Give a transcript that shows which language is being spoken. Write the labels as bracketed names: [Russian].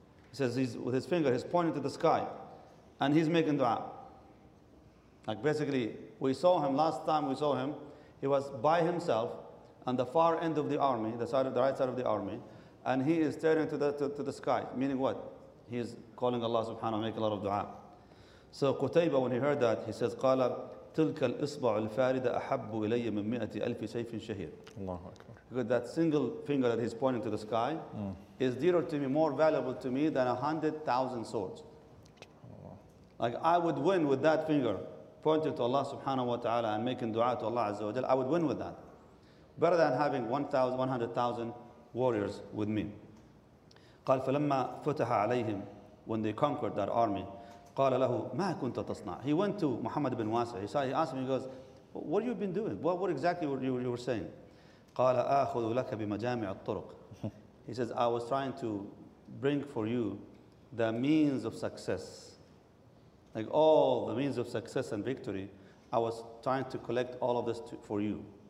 [English] He says, he's pointing to the sky. And he's making dua. Like basically, we saw him, last time we saw him, he was by himself on the far end of the army, the right side of the army. And he is turning to the sky, meaning what? He is calling Allah subhanahu wa ta'ala, make a lot of dua. So Qutayba, when he heard that, he says, [Arabic] قَالَ تِلْكَ الْإِصْبَعُ الْفَارِدَ أَحَبُّ إِلَيَّ مِنْ مِئَةِ أَلْفِ سَيْفٍ شَهِيرٍ. Allahu Akbar. [English] Because that single finger that he's pointing to the sky is dearer to me, more valuable to me than 100,000 swords. Like I would win with that finger, pointing to Allah subhanahu wa ta'ala and making dua to Allah azza wa jal. I would win with that. Better than having 100,000 warriors with me. [Arabic] قال فلما فتح عليهم, [English] when they conquered that army, [Arabic] قال له ما كنت تصنع. [English] He went to Muhammad ibn Wasi. He saw. He asked him. He goes, "What have you been doing? What exactly were you saying?" [Arabic] قال آخذ لك بمجامع الطرق. [English] He says, I was trying to bring for you the means of success. Like all the means of success and victory, I was trying to collect all of this for you.